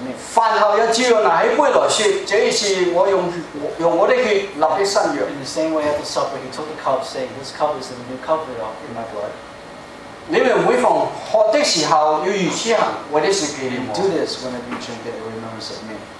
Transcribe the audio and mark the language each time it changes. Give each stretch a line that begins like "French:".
Chinese: 饭后又照拿起杯来说：这是我用我的血立的新约。
English: In the same way, after supper, he took the cup, saying, "This cup is the new covenant in my blood."
Chinese: 你们每逢喝的时候要如此行，为的是纪念我。
English: Do this whenever you drink it, remembrance of me.